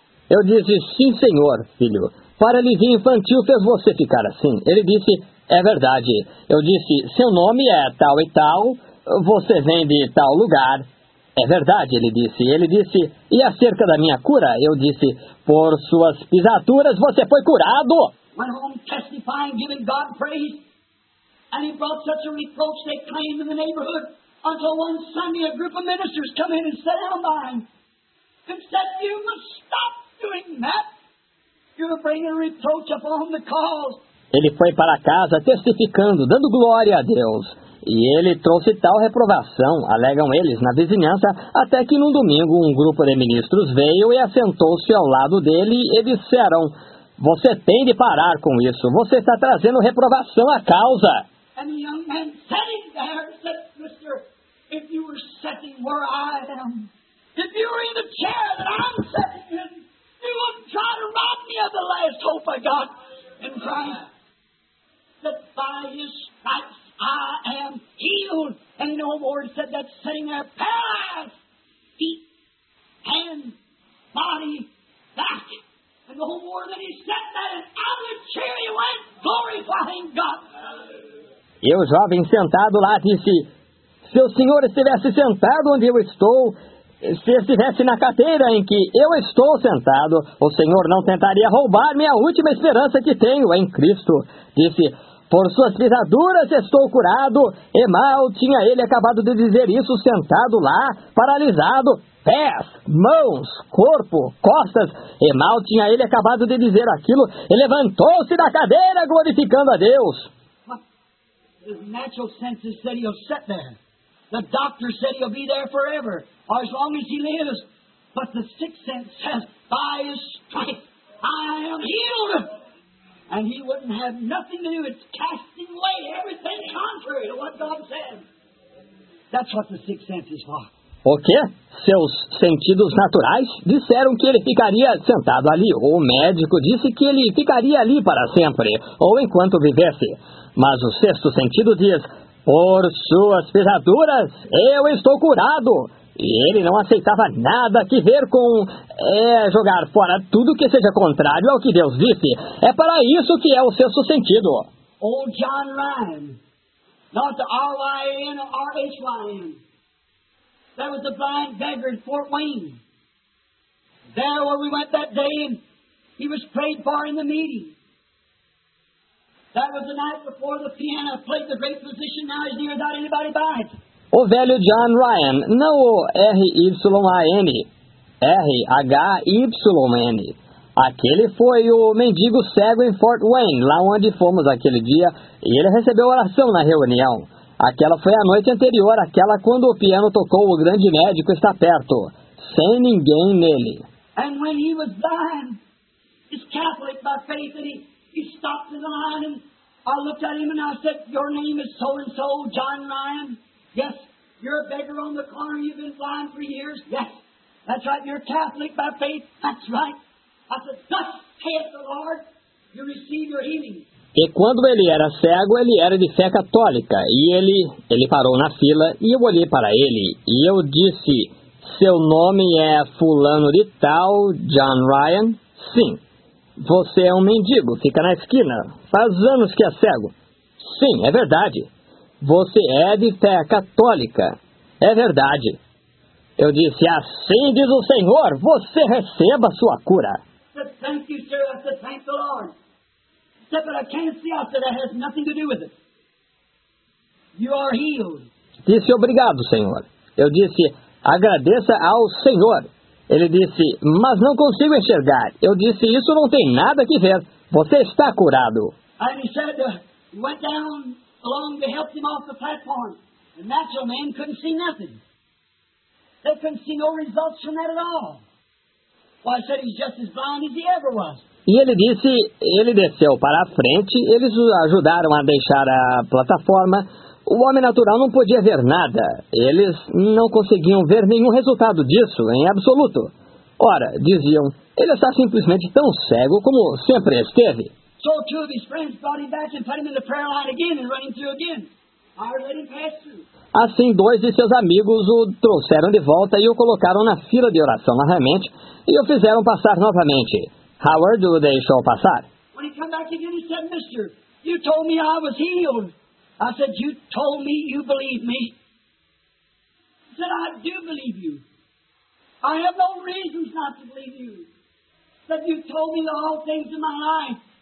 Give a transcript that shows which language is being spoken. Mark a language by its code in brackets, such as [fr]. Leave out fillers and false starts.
[pt] Eu disse, sim, senhor, filho. Paralisia infantil fez você ficar assim. Ele disse, é verdade. Eu disse, seu nome é tal e tal, você vem de tal lugar. É verdade, ele disse. Ele disse, e acerca da minha cura? Eu disse, por suas pisaduras você foi curado. [en] Went home testifying, giving God praise. And he brought such a reproach they claimed in the neighborhood. Until one Sunday a group of ministers come in and sat down by him. And said, you must stop doing that. You're bringing reproach upon the cause. [pt] Ele foi para casa testificando, dando glória a Deus. E ele trouxe tal reprovação, alegam eles, na vizinhança, até que num domingo um grupo de ministros veio e assentou-se ao lado dele e disseram, você tem de parar com isso. Você está trazendo reprovação à causa. [en] And the young man sitting there said, mister, if you were sitting where I am, if you were in the chair that I'm sitting in, you wouldn't try to rob me of the last hope I got in Christ. That by his stripes I am healed. And no more said that sitting there paralyzed, feet, hands, body, back. And no more that he said that and out of the chair he went glorifying God. [pt] E o jovem sentado lá disse, se o senhor estivesse sentado onde eu estou, se estivesse na cadeira em que eu estou sentado, o Senhor não tentaria roubar-me a última esperança que tenho em Cristo. Disse, por suas pisaduras estou curado. E mal tinha ele acabado de dizer isso, sentado lá, paralisado, pés, mãos, corpo, costas. E mal tinha ele acabado de dizer aquilo, e levantou-se da cadeira glorificando a Deus. [en] His natural senses said he'll sit there. The doctor said he'll be there forever. Or as long as he lives. But the sixth sense says, by his stripes, I am healed. And he wouldn't have nothing to do. It's casting away everything contrary to what God said. That's what the sixth sense is for. [pt] O quê? Seus sentidos naturais disseram que ele ficaria sentado ali. Ou o médico disse que ele ficaria ali para sempre. Ou enquanto vivesse. Mas o sexto sentido diz, Por suas pisaduras, eu estou curado. E ele não aceitava nada que ver com jogar fora tudo que seja contrário ao que Deus disse. É para isso que é o sexto sentido. [en] Old John Ryan, not the R-Y-A-N or R-H-Y-A-N. That was the blind beggar in Fort Wayne. There where we went that day, and he was prayed for in the meeting. That was the night before the piano played the great position, now he's near without anybody by it. [pt] O velho John Ryan, não o R-Y-A-N, R-H-Y-N. Aquele foi o mendigo cego em Fort Wayne, lá onde fomos aquele dia, e ele recebeu oração na reunião. Aquela foi a noite anterior, aquela quando o piano tocou O Grande Médico Está Perto, sem ninguém nele. [en] And when he was dying, he's Catholic by faith, and he stopped in the line, and I looked at him and I said, your name is so-and-so, John Ryan. Yes, you're a beggar on the corner, you've been blind for years. Yes, that's right, you're Catholic by faith, that's right. I said, thus saith the Lord, you receive your healing. [pt] E quando ele era cego, ele era de fé católica, e ele parou na fila, e eu olhei para ele, e eu disse, seu nome é fulano de tal, John Ryan? Sim. Você é um mendigo, fica na esquina, faz anos que é cego. Sim, é verdade. Você é de fé católica. É verdade. Eu disse, assim diz o Senhor, você receba sua cura. [en] Thank you, sir. I said, thank the Lord. He said, but I can't see. I said, that has nothing to do with it. You are healed. [pt] Disse, obrigado, Senhor. Eu disse, agradeça ao Senhor. Ele disse, mas não consigo enxergar. Eu disse, isso não tem nada que ver. Você está curado. [en] And he said, went down along to help him off the platform. The natural man couldn't see nothing. They couldn't see no results from that at all. Well, I said, he's just as blind as he ever was. [pt] E ele disse, ele desceu para a frente, eles o ajudaram a deixar a plataforma. O homem natural não podia ver nada. Eles não conseguiam ver nenhum resultado disso, em absoluto. Ora, diziam, ele está simplesmente tão cego como sempre esteve. [en] So two of his friends brought him back and put him in the prayer line again and running through again. I already passed through. [pt] Assim, dois de seus amigos o trouxeram de volta e o colocaram na fila de oração novamente e o fizeram passar novamente. Howard o deixou passar. [en] When he came back again, he said, Mister, you told me I was healed. I said, you told me you believe me. He said, I do believe you. I have no reasons not to believe you. He said, you told me all things in my life.